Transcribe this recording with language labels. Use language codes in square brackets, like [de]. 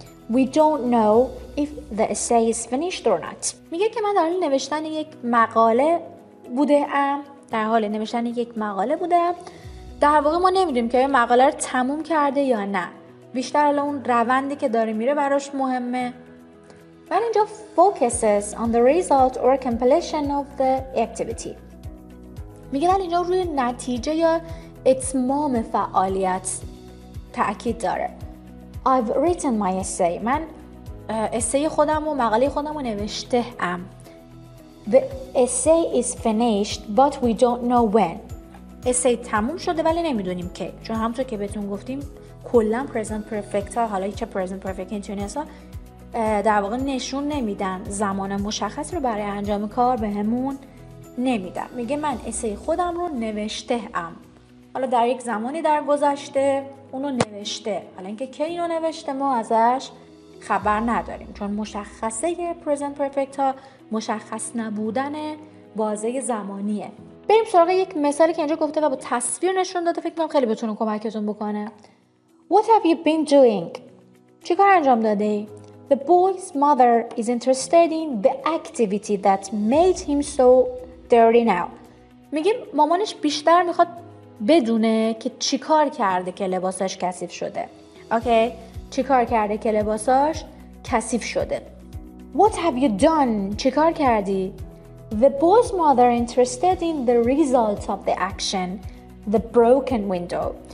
[en] We don't know if the essay is finished or not. [fa] میگه که من در حال نوشتن یک مقاله بودم، در حال نوشتن یک مقاله بودم. در واقع ما نمیدونیم که مقاله رو تموم کرده یا نه. بیشتر الان اون روندی که داره میره براش مهمه. من اینجا [en] focuses on the result or completion of the activity. [fa] میگه من اینجا روی نتیجه یا اتمام فعالیت تأکید داره. [en] I've written my essay. [fa] من اسه خودم و مقاله خودم رو نوشته ام. [en] The essay is finished, but we don't know when. [fa] Essay تموم شده ولی نمیدونیم که. چون همونطور که بهتون گفتیم کلن present perfect ها، حالا چه present perfect continuous ها، در واقع نشون نمیدن، زمان مشخص رو برای انجام کار به همون نمیدن. میگه من essay خودم رو نوشته ام. حالا در یک زمانی در گذشته اونو نوشته. حالا اینکه که اینو نوشته ما ازش خبر نداریم، چون مشخصه پرزنت پرفکت ها مشخص نبودن بازه زمانیه. بریم سراغ یک مثالی که اینجا گفته و با تصویر نشون داده، فکر کنم خیلی بتونه کمکتون بکنه. [en] What have you been doing؟ [fa] چی کار انجام داده؟ [en] The boy's mother is interested in the activity that made him so dirty now. [fa] میگیم مامانش بیشتر میخواد بدونه که چی کار کرده که لباساش کثیف شده. [en] Okay. [fa] چی کار کرده که لباساش کثیف شده. [en] What have you done؟ [fa] چی کار کردی؟ [en] The boy's mother interested in the result of the action, the broken window.